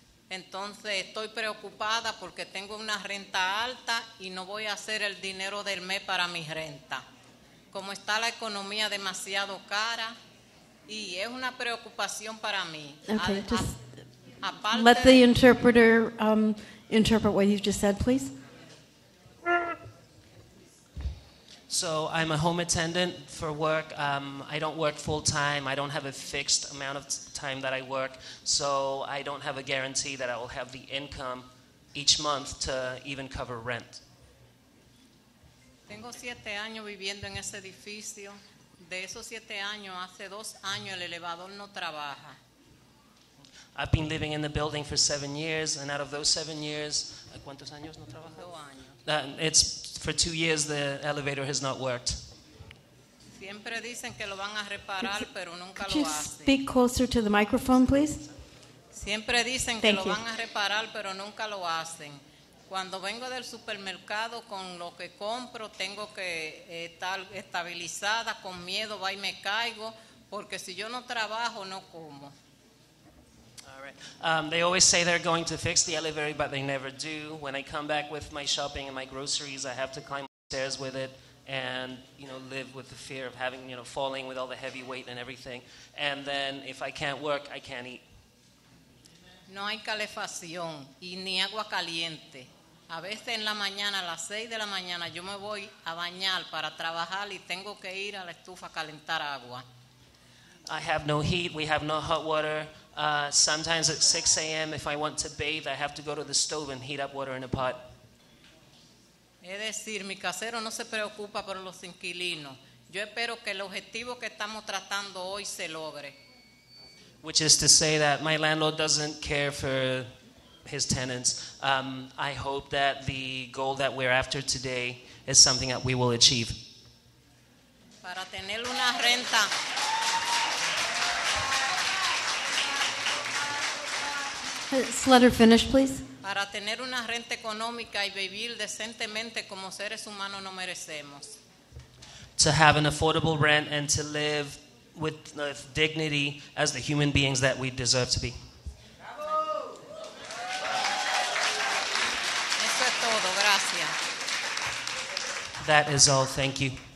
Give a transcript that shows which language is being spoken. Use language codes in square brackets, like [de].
[es] Entonces estoy preocupada porque tengo una renta alta y no voy a hacer el dinero del mes para mi renta. Como está la economía demasiado cara y es una preocupación para mí. [en] Okay, just let the interpreter interpret what you've just said, please. So I'm a home attendant for work. I don't work full time. I don't have a fixed amount of time that I work. So I don't have a guarantee that I will have the income each month to even cover rent. [es] Tengo 7 años viviendo en ese edificio. De esos 7 años, hace 2 años el elevador no trabaja. [en] I've been living in the building for 7 years, and out of those 7 years, [es] ¿cuántos años no trabajo? 2 años. [en] It's for 2 years the elevator has not worked. [es] Siempre dicen que lo van a reparar, pero nunca lo hacen. [en] Could you speak closer to the microphone, please? [es] Siempre dicen que lo van a reparar, pero nunca lo hacen. Cuando vengo del supermercado con lo que compro, tengo que estar estabilizada, con miedo, va y me caigo, porque si yo no trabajo, no como. [en] They always say they're going to fix the elevator, but they never do. When I come back with my shopping and my groceries, I have to climb upstairs with it and, you know, live with the fear of having, you know, falling with all the heavy weight and everything. And then if I can't work, I can't eat. [es] No hay calefacción y ni agua caliente. A veces en la mañana, a las 6 de la mañana, yo me voy a bañar para trabajar y tengo que ir a la estufa a calentar agua. [en] I have no heat. We have no hot water. Sometimes at 6 a.m. if I want to bathe, I have to go to the stove and heat up water in a pot. [es] Es decir, mi casero no se preocupa por los inquilinos. Yo espero que el objetivo que estamos tratando hoy se logre. [en] Which is to say that my landlord doesn't care for his tenants. I hope that the goal that we're after today is something that we will achieve. [es] Para tener una renta. [en] Let's let her finish, please. [es] Para tener una renta económica y vivir decentemente como seres humanos no merecemos. [en] To have an affordable rent and to live with dignity as the human beings that we deserve to be. [es] Eso es todo. Gracias. [en] That is all. Thank you.